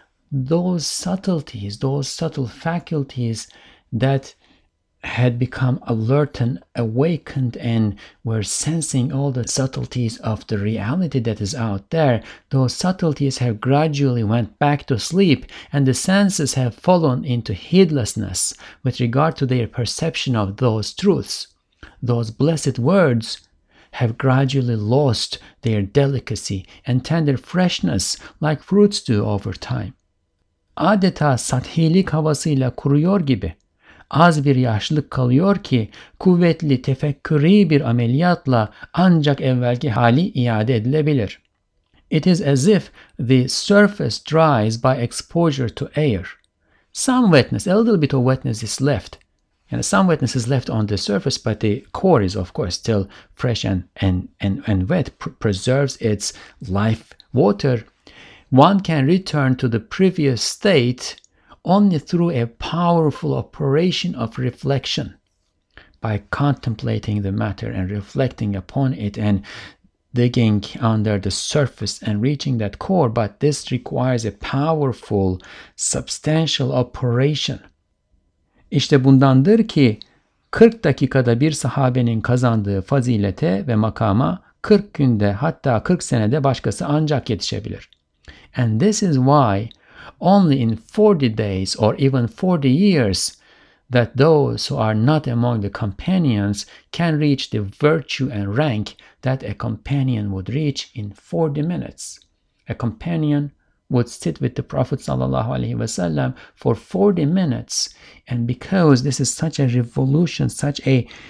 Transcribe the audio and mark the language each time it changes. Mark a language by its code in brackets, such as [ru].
[en] those subtleties, those subtle faculties that had become alert and awakened and were sensing all the subtleties of the reality that is out there, those subtleties have gradually went back to sleep, and the senses have fallen into heedlessness with regard to their perception of those truths. Those blessed words have gradually lost their delicacy and tender freshness like fruits do over time. [tr] Adeta sathilik havasıyla kuruyor gibi. Az bir yaşlık kalıyor ki kuvvetli tefekkürî bir ameliyatla ancak evvelki hali iade edilebilir. [en] It is as if the surface dries by exposure to air. Some wetness, a little bit of wetness is left. And some wetness is left on the surface, but the core is of course still fresh and wet, preserves its life water. One can return to the previous state only through a powerful operation of reflection, by contemplating the matter and reflecting upon it and digging under the surface and reaching that core. But this requires a powerful, substantial operation. [tr] İşte bundandır ki 40 dakikada bir sahabenin kazandığı fazilete ve makama 40 günde, hatta 40 senede başkası ancak yetişebilir. [en] And this is why only in 40 days or even 40 years that those who are not among the companions can reach the virtue and rank that a companion would reach in 40 minutes. A companion would sit with the Prophet [ar] sallallahu alaihi wasallam [en] for 40 minutes, and because this is such a revolution, such a